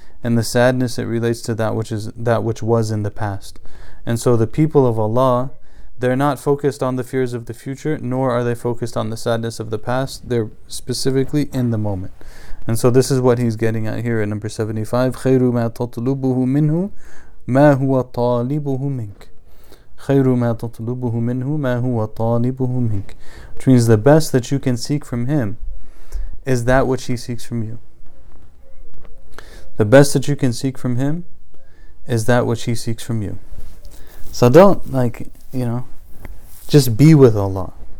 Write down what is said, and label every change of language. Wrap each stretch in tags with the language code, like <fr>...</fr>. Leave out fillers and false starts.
<en>And the sadness, it relates to that which was in the past. And so the people of Allah, they're not focused on the fears of the future, nor are they focused on the sadness of the past. They're specifically in the moment. And so this is what he's getting at here in number 75.</en> <ar>خَيْرُ مَا تَطْلُبُهُ مِنْهُ مَا هُوَ طَالِبُهُ مِنْكَ. خَيْرُ مَا تَطْلُبُهُ مِنْهُ مَا هُوَ طَالِبُهُ مِنْكَ.</ar> <en>Which means the best that you can seek from him is that which he seeks from you. The best that you can seek from him is that which he seeks from you. So don't, like, you know, just be with Allah.</en>